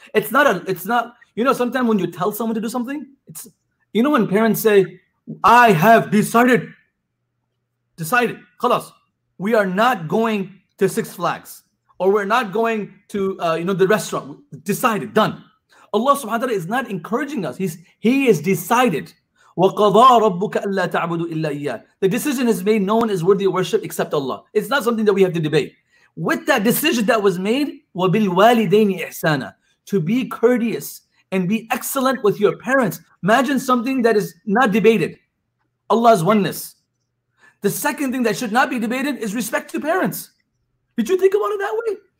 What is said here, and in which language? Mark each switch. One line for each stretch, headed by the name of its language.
English: It's not, you know, sometimes when you tell someone to do something, it's, you know, when parents say, I have decided, khalas, we are not going to Six Flags, or we're not going to, the restaurant, decided, done. Allah subhanahu wa ta'ala is not encouraging us. He is decided.
Arabic: وَقَضَى رَبُّكَ أَلَّا تَعْبُدُ إِلَّا إِيَّا.
English: The decision is made, no one is worthy of worship except Allah. It's not something that we have to debate. With that decision that was made,
Arabic: وَبِالْوَالِدَيْنِ إِحْسَانًا.
English: To be courteous and be excellent with your parents. Imagine something that is not debated. Allah's oneness. The second thing that should not be debated is respect to parents. Did you think about it that way?